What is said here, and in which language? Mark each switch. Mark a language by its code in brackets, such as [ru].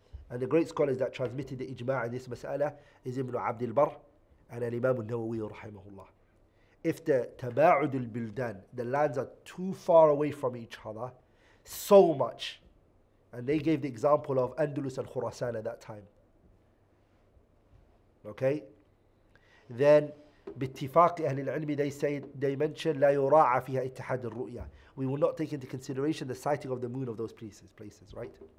[en] And the great scholars that transmitted the ijma' in this mas'ala is Ibn Abd al-Barr and Al-Imam al-Nawawi rahimahullah. If the [ar] تباعد البلدان, [en] the lands are too far away from each other, so much, and they gave the example of Andalus and Khurasan at that time. Okay? [ar] Then, باتفاق أهل العلم, [en] they mention, [ar] لا يراعى فيها اتحاد الرؤية. [en] We will not take into consideration the sighting of the moon of those places, right?